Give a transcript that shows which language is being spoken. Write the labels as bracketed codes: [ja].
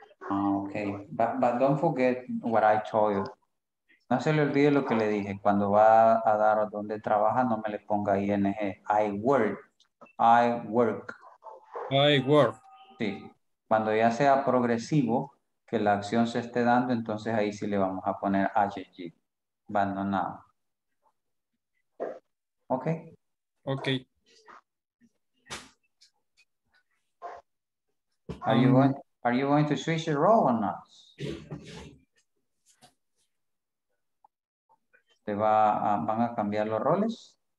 [en] Okay, but don't forget what I told you. [es] No se le olvide lo que le dije. Cuando va a dar a donde trabaja, no me le ponga ING. [en] I work. I work. I work. [es] Sí. Cuando ya sea progresivo, que la acción se esté dando, entonces ahí sí le vamos a poner ING. Abandonado. [en] Okay. Okay. Are you going to switch your role or not? [es] ¿Te va a, van a cambiar los roles?